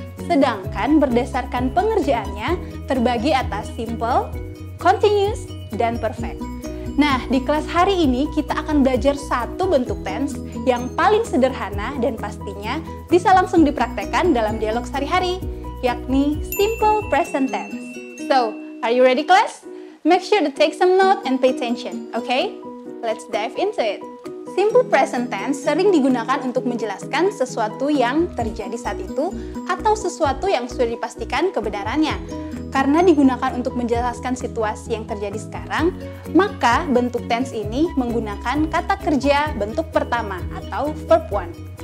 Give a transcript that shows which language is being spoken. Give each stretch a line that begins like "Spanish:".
Indonesian: Sedangkan berdasarkan pengerjaannya, terbagi atas simple, continuous, dan perfect. Nah, di kelas hari ini kita akan belajar satu bentuk tense yang paling sederhana dan pastinya bisa langsung dipraktekkan dalam dialog sehari-hari, yakni simple present tense.
English: So, are you ready class? Make sure to take some note and pay attention, okay? Let's dive into it.
Indonesian: Simple present tense sering digunakan untuk menjelaskan sesuatu yang terjadi saat itu atau sesuatu yang sudah dipastikan kebenarannya. Karena digunakan untuk menjelaskan situasi yang terjadi sekarang, maka bentuk tense ini menggunakan kata kerja bentuk pertama atau verb one.